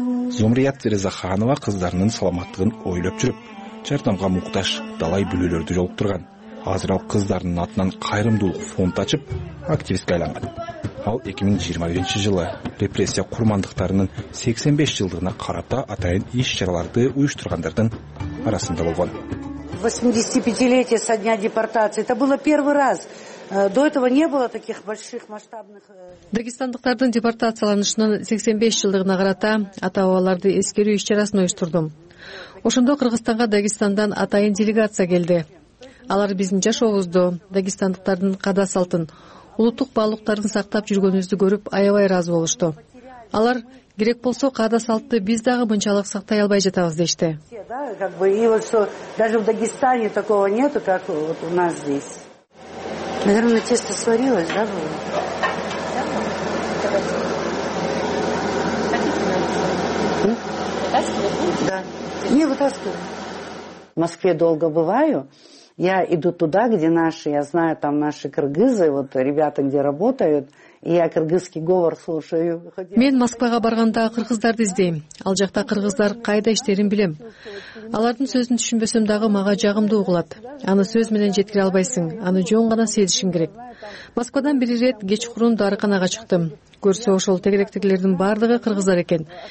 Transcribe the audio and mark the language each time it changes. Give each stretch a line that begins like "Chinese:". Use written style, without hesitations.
Kyrgyz: Зумрият Резаханова кыздарынын саламаттыгын ойлоп жүрүп, жардамга муктаж далай бүлөлөрдү жолуктурган. Азыр ал кыздарынын атынан кайрымдуулук фонд ачып, активистке айланган. Ал 2021 жылы репрессия курмандыктарынын 85 жылдыгына карата атайын иш-чараларды уюштургандардын арасында болгон.
Russian: 85-летие со дня депортации. Это было первый раз. До этого не было таких больших масштабных.
Kyrgyz: Дагестандыктардын депортацияланышынын 85 жылдыгына карата ата-бабаларды эскерүү иш-чарасын уюштурдум. Ошондо Кыргызстанга Дагестандан атайын делегация келди. Алар биздин жашообузду, дагестандыктардын каада салтын, улуттук баалуулуктарын сактап жүргөнүбүздү көрүп, аябай ыраазы болушту. Алар керек болсо каада салтты биз дагы мынчалык сактай албай жатабыз дешти.
Russian: И вот что даже в Дагестане такого нету, как вот у нас здесь. Наверное, тесто сварилось, да, было? Да. Не, вытаскиваю. В Москве долго бываю. Я иду туда, где наши, я знаю, там наши кыргызы, вот ребята, где работают. Я кыргызский говор слушаю.
Kyrgyz: Мен Москвага барганда кыргыздарды издейм. Ал жакта кыргыздар кайда иштерин билем. Алардын сөзүн түшүнбөсөм дагы мага жагымдуу кылат. Аны сөз менен жеткире албайсың, аны жөн гана сезишиң керек. Москвадан бир ирет кечкурун дарыканага чыктым. Көрсө ошол тегеректегилердин баардыгы кыргыздар экен.